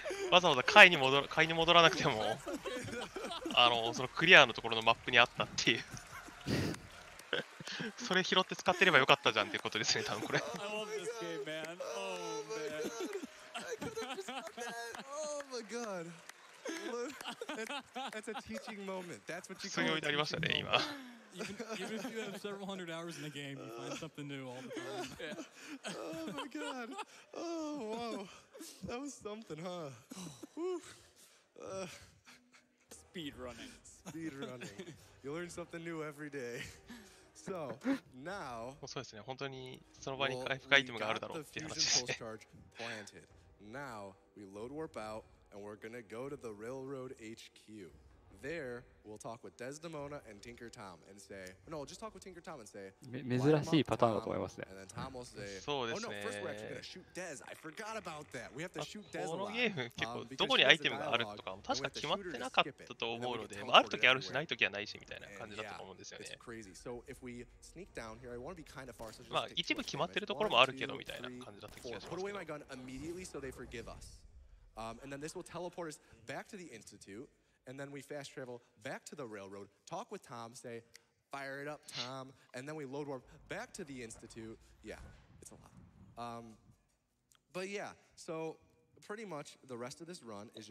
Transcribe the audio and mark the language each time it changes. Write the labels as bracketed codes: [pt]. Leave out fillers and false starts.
[ja] わざわざ階に戻らなくても、そのクリアのところのマップにあったっていう。それ拾って使ってればよかったじゃんっていうことですね。多分これ。 [en] Oh my god, man. Oh my god. I could have just done that. Oh my god. That's a teaching moment. That's what you call it. Teaching moment. Even if you have several hundred hours in the game, you find something new all the time. Oh my god. Oh wow. That was something, huh? Speed running. You learn something new every day. So now. [ja] そうですね。本当にその場に回復アイテムがあるだろうっていう話ですね。 [en] Fusion pulse charge planted. Now we load warp out. And we're gonna go to the railroad HQ. There, we'll talk with Desdemona and Tinker Tom and say, no, we'll just talk with Tinker Tom and say, and then Tom will say, [ja] そうですね。 [en] Oh no, first we're actually gonna shoot Des. I forgot about that. We have to shoot Des. [ja] このゲーム結構どこにアイテムがあるとかも確か決まってなかったと思うので、あるときあるしないときはないしみたいな感じだったと思うんですよね。 [en] It's crazy. So if we sneak down here, I want to be kind of far. So just [ja] まあ一部決まってるところもあるけどみたいな感じだった気がします。 [en] Put away my gun immediately so they forgive us. And then this will teleport us back to the Institute, and then we fast travel back to the railroad, talk with Tom, say, fire it up, Tom, and then we load warp back to the Institute. Yeah, it's a lot. But yeah, so pretty much the rest of this run is just